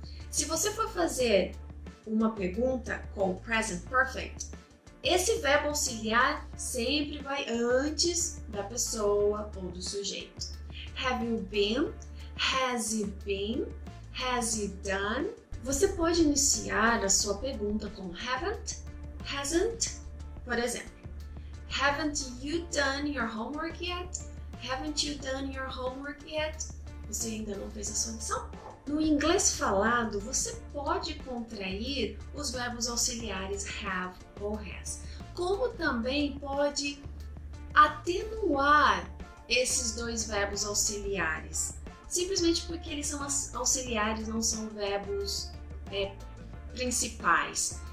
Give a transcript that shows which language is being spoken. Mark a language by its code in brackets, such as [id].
[pt] Se você for fazer uma pergunta com present perfect, esse verbo auxiliar sempre vai antes da pessoa ou do sujeito. [en] Have you been? Has he been? Has he done? [pt] Você pode iniciar a sua pergunta com haven't, hasn't. Por exemplo, [en] haven't you done your homework yet? Haven't you done your homework yet? [pt] Você ainda não fez a sua lição? No inglês falado, você pode contrair os verbos auxiliares have ou has, como também pode atenuar esses dois verbos auxiliares, simplesmente porque eles são auxiliares, não são verbos principais.